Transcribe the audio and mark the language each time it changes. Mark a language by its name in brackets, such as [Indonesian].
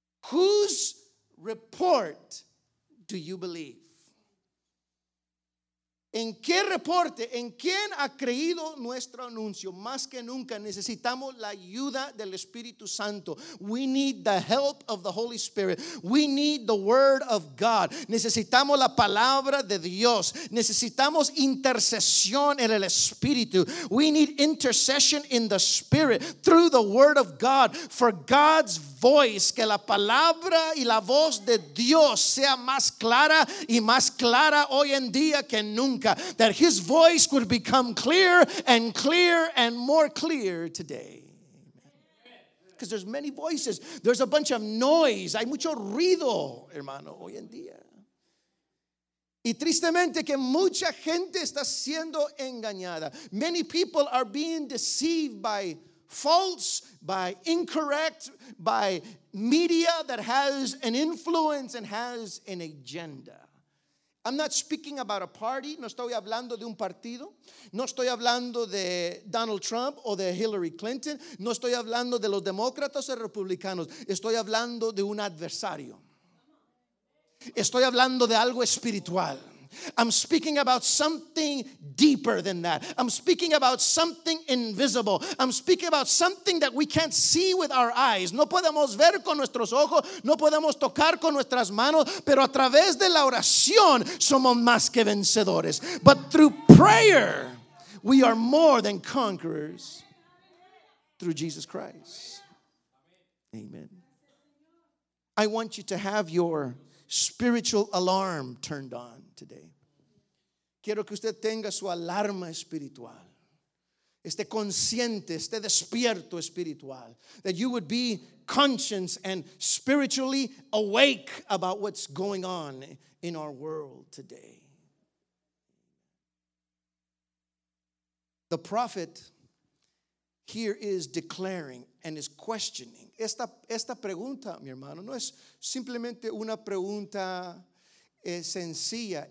[English] Whose report do you believe? [Spanish] ¿En qué reporte, en quién ha creído nuestro anuncio? Más que nunca necesitamos la ayuda del Espíritu Santo. [English] We need the help of the Holy Spirit. We need the word of God. [Spanish] Necesitamos la palabra de Dios. Necesitamos intercesión en el Espíritu. [English] We need intercession in the Spirit through the word of God. For God's voice, [Spanish] que la palabra y la voz de Dios sea más clara y más clara hoy en día que nunca. [English] That his voice would become clear and clear and more clear today. Because there's many voices. There's a bunch of noise. [Spanish] Hay mucho ruido, hermano, hoy en día. Y tristemente que mucha gente está siendo engañada. [English] Many people are being deceived by false, by incorrect, by media that has an influence and has an agenda. I'm not speaking about a party. [Spanish] No estoy hablando de un partido. No estoy hablando de Donald Trump o de Hillary Clinton. No estoy hablando de los demócratas o republicanos. Estoy hablando de un adversario. Estoy hablando de algo espiritual. [English] I'm speaking about something deeper than that. I'm speaking about something invisible. I'm speaking about something that we can't see with our eyes. [Spanish] No podemos ver con nuestros ojos. No podemos tocar con nuestras manos. Pero a través de la oración somos más que vencedores. [English] But through prayer, we are more than conquerors through Jesus Christ. Amen. I want you to have your spiritual alarm turned on today. [Spanish] Quiero que usted tenga su alarma espiritual. Esté consciente, esté despierto espiritual. [English] That you would be conscious and spiritually awake about what's going on in our world today. The prophet here is declaring and is questioning. [Spanish] Esta pregunta, mi hermano, no es simplemente una pregunta sencilla.